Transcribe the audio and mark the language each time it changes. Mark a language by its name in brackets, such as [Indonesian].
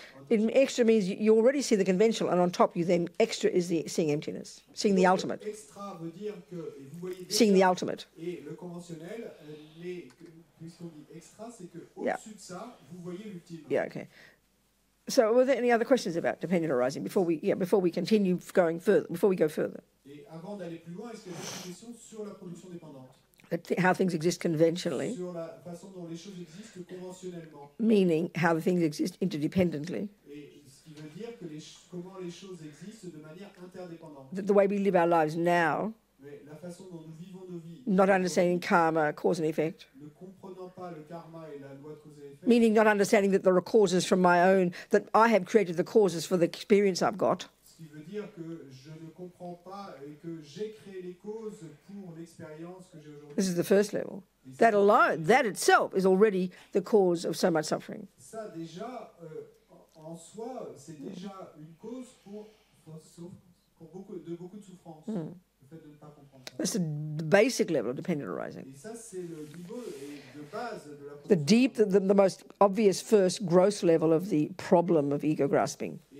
[English] In extra means you already see the conventional, and on top you then extra is the seeing emptiness, seeing the ultimate. [French] Extra veut dire que vous voyez déjà, [English] seeing the ultimate. [French] Et le conventionnel, puisqu'on dit extra, c'est que au-dessus de ça, vous voyez l'ultime. [English] Yeah, okay. So, were there any other questions about dependent arising before we continue going further? Before we go further. [French] Et avant d'aller plus loin, est-ce qu'il y a des questions sur la production dépendante? [English] How things exist conventionally, [French] sur la façon dont les choses existent conventionnellement. [English] Meaning how things exist interdependently. [French] Et ce qui veut dire que comment les choses existent de manière interdépendante. [English] The way we live our lives now, [French] la façon dont nous vivons nos vies, [English] not understanding karma, cause and effect. [French] Ne comprenant pas le karma et la loi de cause et effet. [English] Meaning not understanding that there are causes from my own, that I have created the causes for the experience I've got. [French] Ce qui veut dire que je ne comprends pas et que j'ai créé les causes pour l'expérience que j'ai aujourd'hui. [English] This is the first level. That alone, that itself is already the cause of so much suffering. [French] Ça déjà, en soi, c'est déjà une cause pour beaucoup de souffrance, le fait de ne pas comprendre. [English] That's the basic level of dependent arising. [French] Et ça, c'est le niveau de base de la... [English] The deep, the most obvious first gross level of the problem of ego grasping.